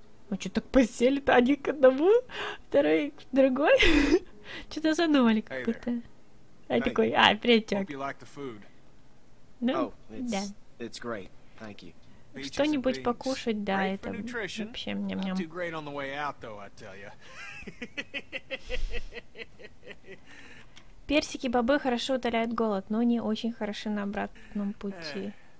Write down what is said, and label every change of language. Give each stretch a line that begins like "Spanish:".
Russian: Вы что, так посели-то один к одному? Второй к другой? Что-то задумали какое-то. Hey. Такой, а, привет, чувак.
English: Hope you like the food. Ну, oh, it's,
Russian: да.
English: It's great. Thank you.
Russian: Что-нибудь покушать, да, это вообще ням-ням.
English: Not too great on the way out, though, I tell you.
Russian: Персики, бобы хорошо утоляют голод, но не очень хороши на обратном пути.